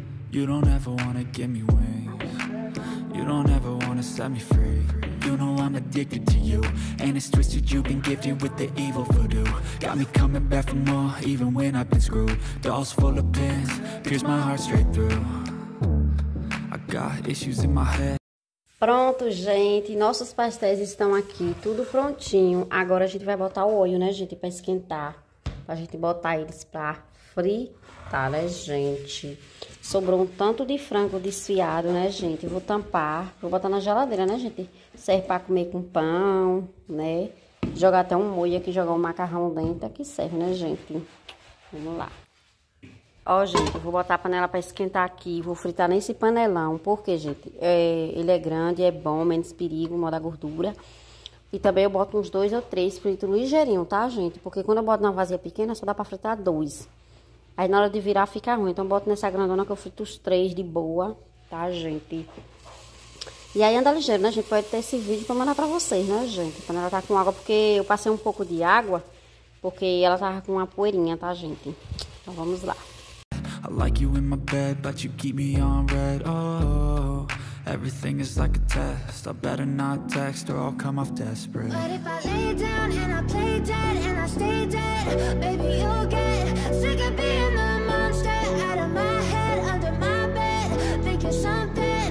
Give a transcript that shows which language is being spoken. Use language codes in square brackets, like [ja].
[en] You don't ever wanna give me wings. You don't ever wanna set me free. You know I'm addicted to you. And it's twisted, you've been gifted with the evil voodoo. Got me coming back for more, even when I've been screwed. Dolls full of pins, pierce my heart straight through. I got issues in my head. [pt] Pronto, gente, nossos pastéis estão aqui, tudo prontinho. Agora a gente vai botar o óleo, né, gente, para esquentar. Pra gente botar eles pra fritar, né, gente. Sobrou um tanto de frango desfiado, né, gente. Vou tampar, vou botar na geladeira, né, gente. Serve pra comer com pão, né. Jogar até um molho aqui, jogar um macarrão dentro, aqui serve, né, gente. Vamos lá. Ó, gente, eu vou botar a panela pra esquentar aqui, vou fritar nesse panelão, porque, gente, ele é grande, é bom, menos perigo, moda gordura. E também eu boto uns dois ou três, frito ligeirinho, tá, gente? Porque quando eu boto na vasilha pequena, só dá pra fritar dois. Aí na hora de virar fica ruim, então eu boto nessa grandona que eu frito os três de boa, tá, gente? E aí anda ligeiro, né, gente? Pode ter esse vídeo pra mandar pra vocês, né, gente? Quando ela tá com água, porque eu passei um pouco de água, porque ela tava com uma poeirinha, tá, gente? Então vamos lá. [en] I like you in my bed, but you keep me on red. Oh, everything is like a test. I better not text or I'll come off desperate. But if I lay down and I play dead and I stay dead, baby, you'll get sick of being the monster out of my head, under my bed, thinking something.